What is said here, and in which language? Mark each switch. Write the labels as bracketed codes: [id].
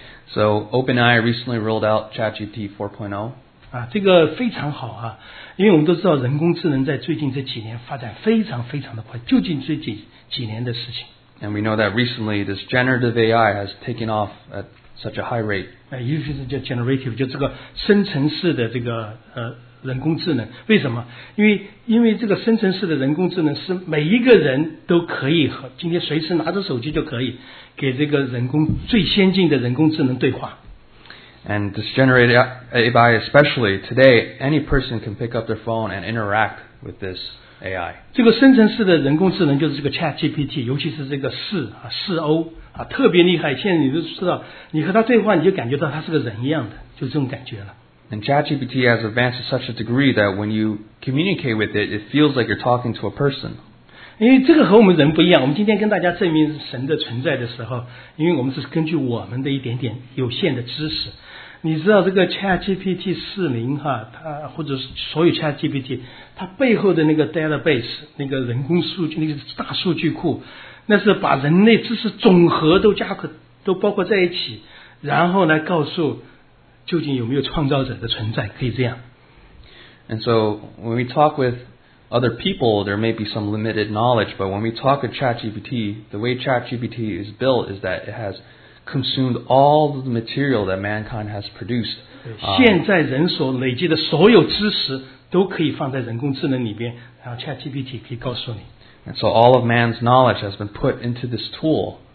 [en] So OpenAI recently rolled out ChatGPT 4.0. [zh] 这个非常好啊，因为我们都知道人工智能在最近这几年发展非常非常的快，就近最近几年的事情。 [en] And we know that recently this generative AI has taken off at such a high rate. [zh] 尤其是叫 generative, 就这个生成式的这个人工智能。为什么？因为这个生成式的人工智能是每一个人都可以和今天随时拿着手机就可以给这个人工最先进的人工智能对话。 [en] And this generated AI especially, today, any person can pick up their phone and interact with this AI. [zh] 这个生成式的人工智能就是这个 ChatGPT, 尤其是这个 4.0, 特别厉害，现在你都知道，你和它对话你就感觉到它是个人一样的，就这种感觉了。 [en] And ChatGPT has advanced to such a degree that when you communicate with it, it feels like you're talking to a person. [zh] 因为这个和我们人不一样，我们今天跟大家证明神的存在的时候，因为我们是根据我们的一点点有限的知识。你知道这个 ChatGPT 4.0 哈，它或者是所有 ChatGPT, 它背后的那个 database, 那个人工数据，那个大数据库，那是把人类知识总和都包括在一起，然后来告诉究竟有没有创造者的存在，可以这样。 [en] And so when we talk with other people, there may be some limited knowledge, but when we talk of ChatGPT, the way ChatGPT is built is that it has consumed all the material that mankind has produced. [zh] 现在人所累积的所有知识都可以放在人工智能里边，然后 ChatGPT 可以告诉你。 [en] And so all of man's knowledge has been put into this tool.